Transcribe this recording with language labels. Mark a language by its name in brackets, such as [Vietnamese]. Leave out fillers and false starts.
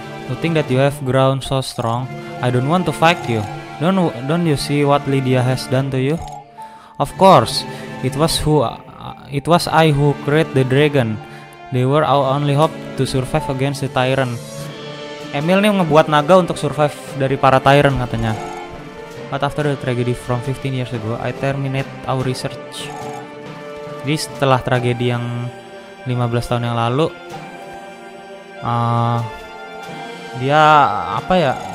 [English] You think that you have ground so strong? I don't want to fight you. Don't you see what Lydia has done to you? Of course, it was I who created the dragon. They were our only hope to survive against the tyrant. [Indonesian] Emil nih ngebuat naga untuk survive dari para tyrant katanya. [English] But after the tragedy from 15 years ago, I terminate our research. [Indonesian] Jadi setelah tragedi yang 15 tahun yang lalu, dia apa ya?